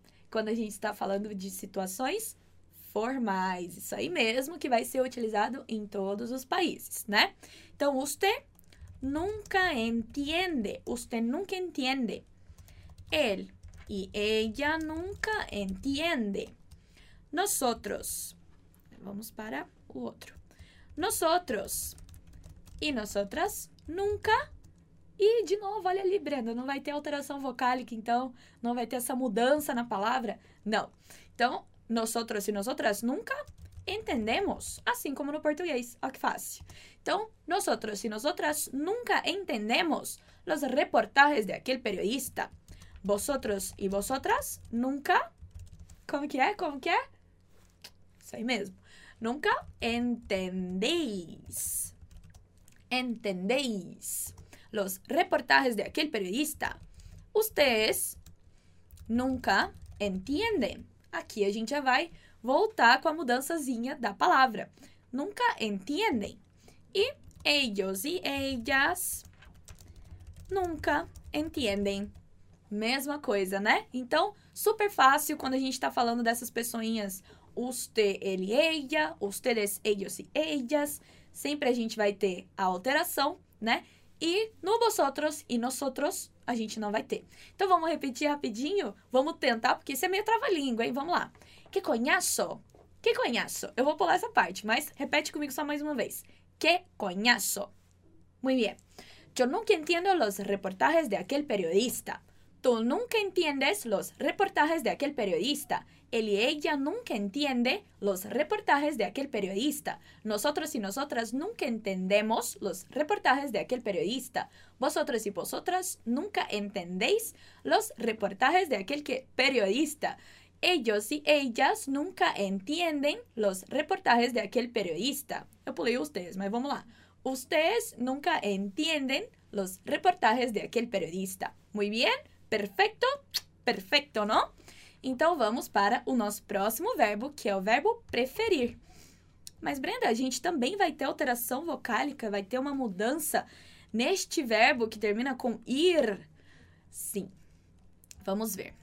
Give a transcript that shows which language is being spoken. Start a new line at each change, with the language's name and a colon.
Portuguese: Quando a gente está falando de situações formais. Isso aí mesmo que vai ser utilizado em todos os países, né?
Spanish: Então, usted nunca entiende. Usted nunca entiende. Él y ella nunca entiende.
Portuguese: Nosotros. Vamos para... O outro.
Spanish: Nosotros. E nosotras nunca.
Portuguese: E de novo, olha ali, Brenda. Não vai ter alteração vocálica, então. Não vai ter essa mudança na palavra. Não.
Spanish: Então, nosotros e nosotras nunca entendemos.
Portuguese: Assim como no português. Olha que fácil.
Spanish: Então, nosotros e nosotras nunca entendemos los reportajes de aquel periodista. Vosotros e vosotras nunca.
Portuguese: Como que é? Como que é? Isso aí mesmo.
Spanish: Nunca entendéis. Entendéis. Los reportajes de aquel periodista. Ustedes nunca entienden
Portuguese: Aqui a gente já vai voltar com a mudançazinha da palavra.
Spanish: Nunca entendem. E ellos e ellas nunca entendem.
Portuguese: Mesma coisa, né? Então, super fácil quando a gente está falando dessas pessoinhas.
Spanish: Usted, ele, ella. Ustedes, ellos e ellas.
Portuguese: Sempre a gente vai ter a alteração, né? E no vosotros e nosotros, a gente não vai ter. Então, vamos repetir rapidinho? Vamos tentar, porque isso é meio trava-língua, hein? Vamos lá. Que conhaço? Que conhaço? Eu vou pular essa parte, mas repete comigo só mais uma vez. Que conhaço?
Spanish: Muy bien. Yo nunca entiendo los reportajes de aquel periodista. Tú nunca entiendes los reportajes de aquel periodista. Él y ella nunca entiende los reportajes de aquel periodista. Nosotros y nosotras nunca entendemos los reportajes de aquel periodista. Vosotros y vosotras nunca entendéis los reportajes de aquel periodista. Ellos y ellas nunca entienden los reportajes de aquel periodista. Yo pulé ustedes, pero
Portuguese: vamos lá.
Spanish: Ustedes nunca entienden los reportajes de aquel periodista. Muy bien.
Portuguese: Perfeito? Perfeito, não? Então, vamos para o nosso próximo verbo, que é o verbo preferir. Mas, Brenda, a gente também vai ter alteração vocálica, vai ter uma mudança neste verbo que termina com ir? Sim. Vamos ver.